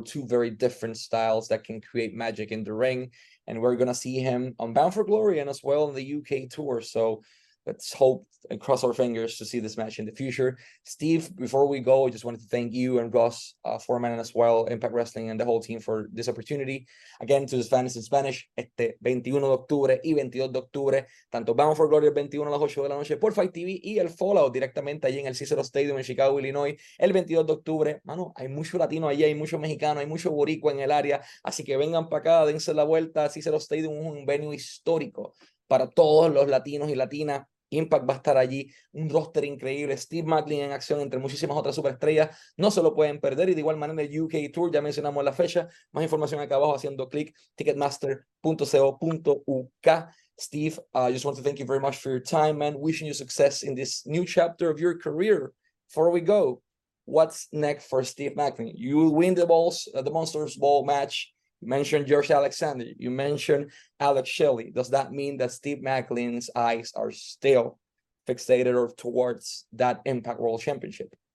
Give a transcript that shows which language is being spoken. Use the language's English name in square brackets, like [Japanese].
[English] Two very different styles that can create magic in the ring. And we're going to see him on Bound for Glory and as well on the UK tour. So Let's hope and cross our fingers to see this match in the future. Steve, before we go, I just wanted to thank you and Ross, Foreman as well, Impact Wrestling and the whole team for this opportunity. Again, to the fans in Spanish, [Spanish] este 21 de octubre y 22 de octubre, tanto Bound for Glory el 21 a las 8 de la noche por Fight TV y el Fallout directamente allí en el Cicero Stadium en Chicago, Illinois, el 22 de octubre. Mano, hay mucho latino allí, hay mucho mexicano, hay mucho boricua en el área, así que vengan para acá, dense la vuelta, Cicero Stadium es un venue histórico para todos los latinos y latinas. Impact va a estar allí, un roster increíble, Steve Maclin en acción entre muchísimas otras superestrellas, no se lo pueden perder, y de igual manera el UK Tour, ya mencionamos la fecha, más información acá abajo haciendo clic, ticketmaster.co.uk. [English] Steve, I just want to thank you very much for your time, man, wishing you success in this new chapter of your career. Before we go, what's next for Steve Maclin? You win the balls, the Monsters Ball match. You mentioned George Alexander. You mentioned Alex Shelley. Does that mean that Steve Maclin's eyes are still fixated or towards that Impact World Championship?